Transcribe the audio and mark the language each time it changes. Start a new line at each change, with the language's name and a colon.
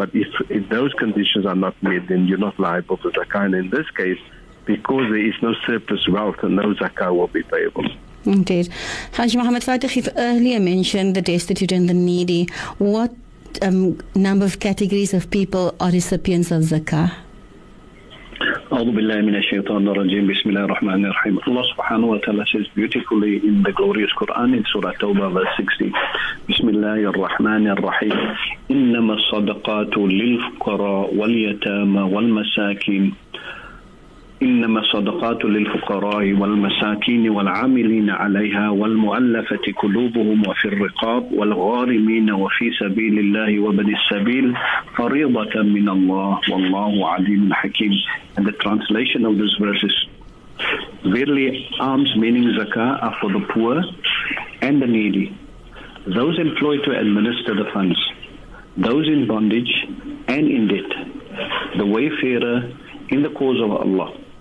English: But if those conditions are not met, then you're not liable for zakah. And in this case, because there is no surplus wealth, no zakah will be payable. Indeed. Haji Muhammad Fathie, you've earlier mentioned the destitute and the needy. What number of categories of people are recipients of zakah?
Arabic: أعوذ بالله من الشيطان الرجيم بسم الله الرحمن الرحيم الله سبحانه وتعالى
English: says beautifully in the glorious Quran in Surah Tawbah verse 60
Arabic: بسم الله الرحمن الرحيم إنما الصدقات للفقراء واليتامى والمساكين إنما الصدقات للفقراء والمساكين والعاملين عليها والمؤلفة قلوبهم وفي الرقاب والغارمين وفي سبيل الله وابن السبيل فريضة من الله والله عليم حكيم.
English: And the translation of this verse is, verily alms, meaning zakah, are for the poor and the needy, those employed to administer the funds, those in bondage and in debt, the wayfarer in the cause of Allah.